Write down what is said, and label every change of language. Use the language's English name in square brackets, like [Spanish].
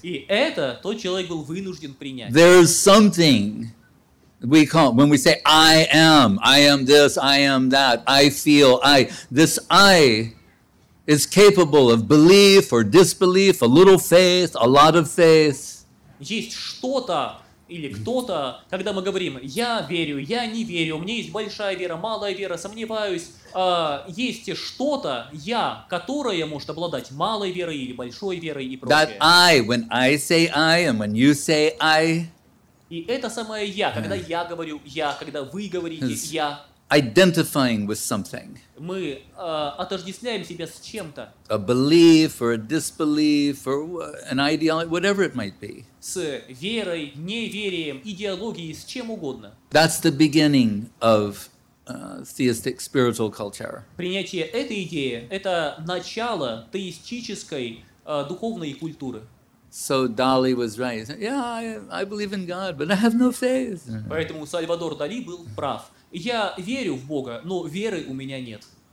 [Russian] И это тот человек был вынужден принять. [English] There's something we call, when we say I am this, I am that, I feel, I, this I, is capable of belief or disbelief, a little faith, a lot of faith. [Russian] Есть что-то или кто-то, когда мы говорим, я верю, я не верю, у меня есть большая вера, малая вера, сомневаюсь. Есть что-то, я, которое может обладать малой верой или большой верой и прочее. [English] That I, when I say I, and when you say I. [Russian] И это самое я, когда я говорю я, когда вы говорите я. [English] Identifying with something. [Russian] Мы отождествляем себя с чем-то. [English] A belief or a disbelief or an ideology, whatever it might be. [Russian] С верой, неверием, идеологией, с чем угодно. [English] That's the beginning of theistic spiritual culture. [Russian] Принятие этой идеи – это начало теистической духовной культуры. [English] So Dali was right. Yeah, I believe in God, but I have no faith. [Russian] Поэтому Сальвадор Дали был прав. Я верю в Бога, но веры у меня нет.